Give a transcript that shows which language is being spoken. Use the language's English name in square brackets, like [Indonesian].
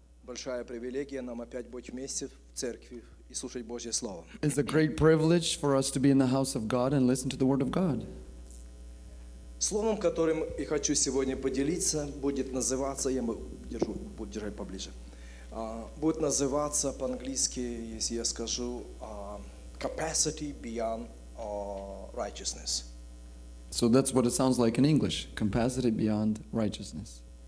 [Russian] Большая привилегия нам опять быть вместе в церкви и слушать Божье слово. [English] It's a great privilege for us to be in the house of God and listen to the word of God. [Russian] Словом, которым я хочу сегодня поделиться, будет называться, я держу, буду держать поближе. Будет называться по-английски, если я скажу, [English] capacity beyond righteousness. So that's what it sounds like in English, capacity beyond righteousness.